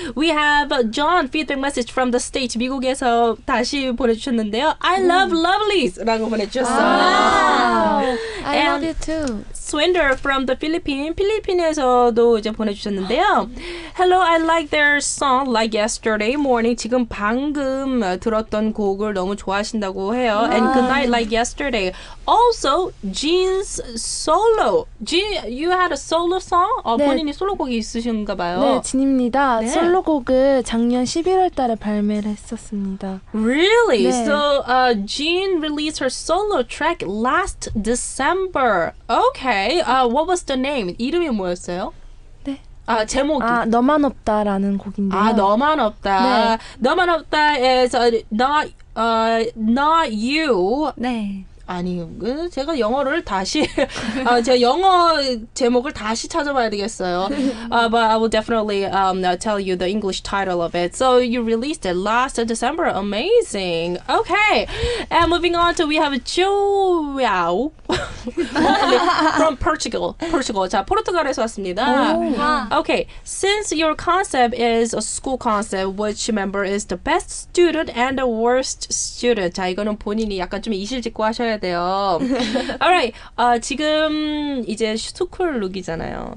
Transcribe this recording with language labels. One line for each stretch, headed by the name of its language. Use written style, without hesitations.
English: We have John feedback message from the state,
Korean: 미국에서 다시 보내주셨는데요.
English: I love Lovelies,
Korean: 라고 보내주셨어요.
English: Wow. Wow. I love you too. Swinder from the Philippines,
Korean: 필리핀에서도 이제 보내주셨는데요.
English: Hello, I like their song Like Yesterday Morning.
Korean: 지금 방금 들었던 곡을 너무 좋아하신다고 해요.
English: Wow. And Good Night Like Yesterday. Also, Jean's solo. Jean, you had a solo song? 네.
Korean: 본인이 솔로곡이 있으신가 봐요. 네, 진입니다. 네. 솔로곡을 작년 11월 달에 발매를 했었습니다.
English: Really?
Korean: 네.
English: So, Jean released her solo track last December. Okay, what was the name?
Korean: 이름이 뭐였어요? 아, 제목이 아, 너만 없다라는 곡인데요. 아, 너만 없다. 네. 너만 없다
English: is not you.
Korean: 네. 아니, 제가 영어를 다시 제가 영어 제목을 다시 찾아봐야 되겠어요.
English: But I will definitely tell you the English title of it. So you released it last December. Amazing. Okay. And moving on to we have João from Portugal. Portugal.
Korean: 자, 포르투갈에서 왔습니다.
English: Okay. Since your concept is a school concept, which member is the best student and the worst student?
Korean: 자, 이거는 본인이 약간 좀 이실직고 하셔야 돼요.
English: All right.
Korean: 지금 이제 스쿨 룩이잖아요.